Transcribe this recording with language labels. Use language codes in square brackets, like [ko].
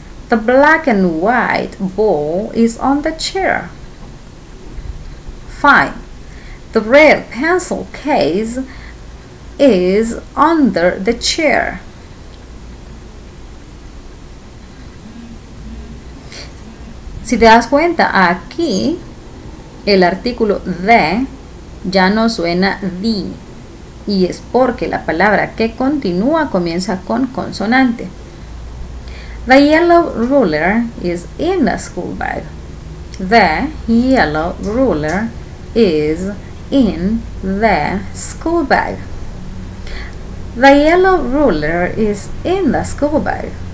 [en] The black and white ball is on the chair. 5. The red pencil case is under the chair. [es] Si te das cuenta, aquí el artículo de ya no suena di, y es porque la palabra que continúa comienza con consonante. [en] The yellow ruler is in the school bag. The yellow ruler is in the school bag. The yellow ruler is in the school bag.